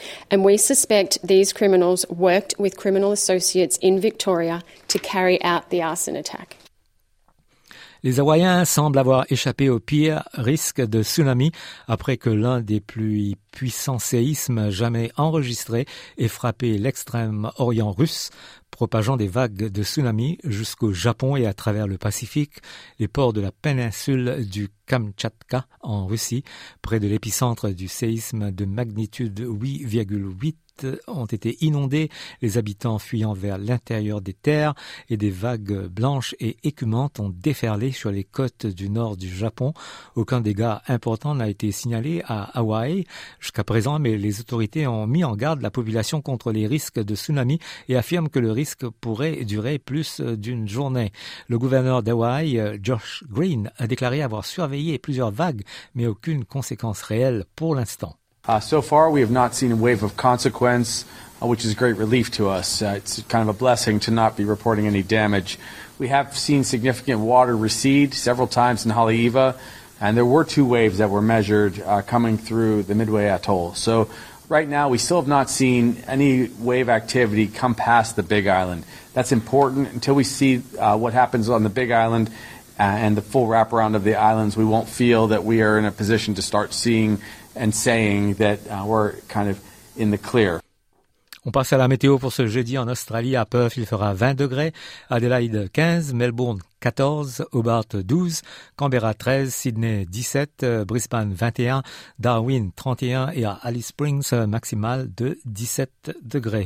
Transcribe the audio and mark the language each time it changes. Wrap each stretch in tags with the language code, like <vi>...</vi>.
<en>And we suspect these criminals worked with criminal associates in Victoria to carry out the arson attack.</en> <fr>Les Hawaïens semblent avoir échappé au pire risque de tsunami après que l'un des plus puissants séismes jamais enregistrés ait frappé l'extrême-orient russe, propageant des vagues de tsunami jusqu'au Japon et à travers le Pacifique. Les ports de la péninsule du Kamtchatka en Russie, près de l'épicentre du séisme de magnitude 8,8, ont été inondés, les habitants fuyant vers l'intérieur des terres et des vagues blanches et écumantes ont déferlé sur les côtes du nord du Japon. Aucun dégât important n'a été signalé à Hawaï jusqu'à présent, mais les autorités ont mis en garde la population contre les risques de tsunami et affirment que le risque pourrait durer plus d'une journée. Le gouverneur d'Hawaï, Josh Green, a déclaré avoir surveillé plusieurs vagues, mais aucune conséquence réelle pour l'instant.</fr> <en>So far, we have not seen a wave of consequence, which is a great relief to us. It's kind of a blessing to not be reporting any damage. We have seen significant water recede several times in Haleiwa, and there were 2 waves that were measured coming through the Midway Atoll. So right now, we still have not seen any wave activity come past the Big Island. That's important. Until we see what happens on the Big Island and the full wraparound of the islands, we won't feel that we are in a position to start seeing and saying that we're kind of in the clear.</en> <fr>On passe à la météo pour ce jeudi en Australie. À Perth, il fera 20 degrés. Adelaide, 15. Melbourne, 14. Hobart, 12. Canberra, 13. Sydney, 17. Brisbane, 21. Darwin, 31. Et à Alice Springs, maximal de 17 degrés.</fr>